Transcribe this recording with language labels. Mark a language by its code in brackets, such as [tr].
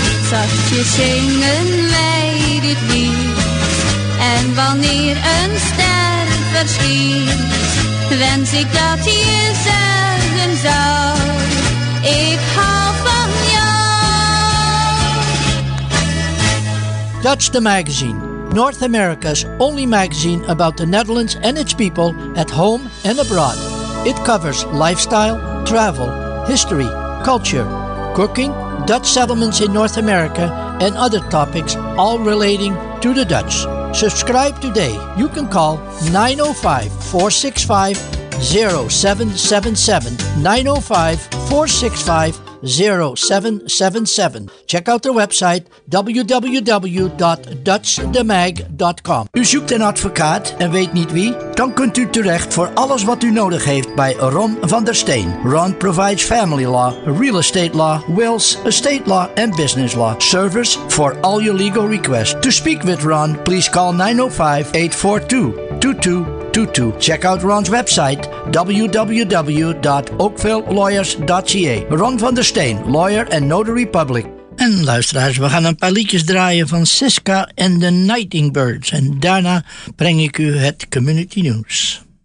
[nl] Zachtjes zingen wij dit lied. En wanneer een ster verschiet, wens ik dat je zeggen zou, ik hou van jou. [en] Dutch the Magazine, North America's only magazine about the Netherlands and its people at home and abroad. It covers lifestyle, travel, history, culture, cooking, Dutch settlements in North America, and other topics all relating to the Dutch. Subscribe today. You can call 905-465-0777, 905-465-0777. 0777. Check out their website, www.dutchdemag.com. [nl] U zoekt een advocaat en weet niet wie? Dan kunt u terecht voor alles wat u nodig heeft bij Ron van der Steen. [en] Ron provides family law, real estate law, wills, estate law en business law. Service for all your legal requests. To speak with Ron, please call 905-842-2222. Check out Ron's website, www.oakvillelawyers.ca. Ron van der Steen, lawyer and notary public. [nl] En luisteraars, we gaan een paar liedjes draaien van Siska en de Nightingbirds. En daarna breng ik u het community news.